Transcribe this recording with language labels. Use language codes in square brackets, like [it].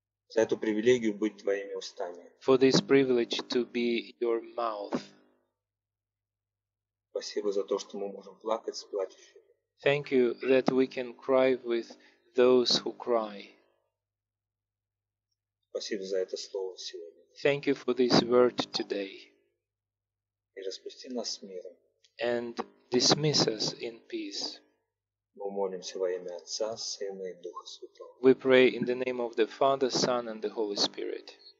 [ru] За эту привилегию быть твоими устами. [en] For this privilege to be your mouth. [ru] Спасибо за то, что мы можем плакать с плачущими. [en] Thank you that we can cry with those who cry. [ru] Спасибо за это слово сегодня. [en] Thank you for this word today. [ru] И распусти нас с миром. [en] And dismiss us in peace. [ru] Мы молимся во имя Отца, Сына и Духа Святого. [en] We pray in the name of the Father, Son, and the Holy Spirit.